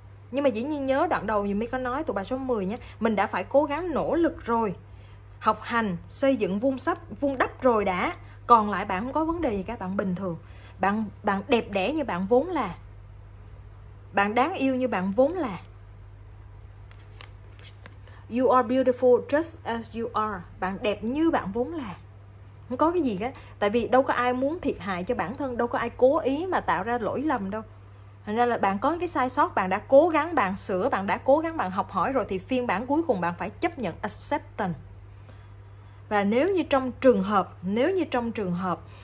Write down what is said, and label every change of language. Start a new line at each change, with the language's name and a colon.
Vietnamese: Nhưng mà dĩ nhiên nhớ đoạn đầu như mới có nói tụi bài số 10 nhé. Mình đã phải cố gắng nỗ lực rồi, học hành, xây dựng vung đắp rồi đã. Còn lại bạn không có vấn đề gì cả, bạn bình thường. Bạn đẹp đẽ như bạn vốn là. Bạn đáng yêu như bạn vốn là.
English: You are beautiful just as you are.
Vietnamese: Bạn đẹp như bạn vốn là. Không có cái gì cả. Tại vì đâu có ai muốn thiệt hại cho bản thân. Đâu có ai cố ý mà tạo ra lỗi lầm đâu. Thành ra là bạn có cái sai sót, bạn đã cố gắng, bạn sửa, bạn đã cố gắng, bạn học hỏi rồi, thì phiên bản cuối cùng bạn phải chấp nhận, acceptance. Và nếu như trong trường hợp